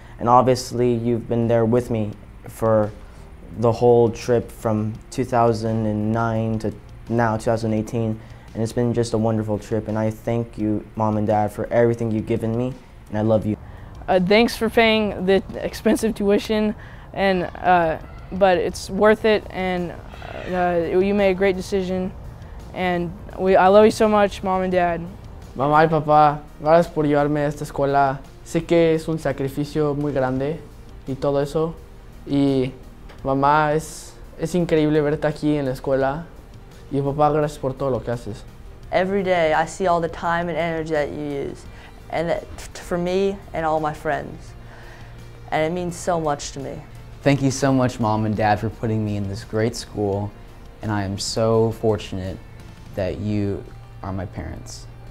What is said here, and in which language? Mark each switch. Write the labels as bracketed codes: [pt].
[en] And obviously, you've been there with me for the whole trip from 2009 to now 2018, and it's been just a wonderful trip, and I thank you, Mom and Dad, for everything you've given me, and I love you. Thanks for paying the expensive tuition, and but it's worth it, and you made a great decision, and I love you so much, Mom and Dad. [es] Mamá y papá, gracias por llevarme a esta escuela. Sé que es un sacrificio muy grande y todo eso, y mamá, es increíble verte aquí en la escuela. Y papá, gracias por todo lo que haces. [en] Every day I see all the time and energy that you use, and that for me and all my friends. And it means so much to me. Thank you so much, Mom and Dad, for putting me in this great school. And I am so fortunate that you are my parents.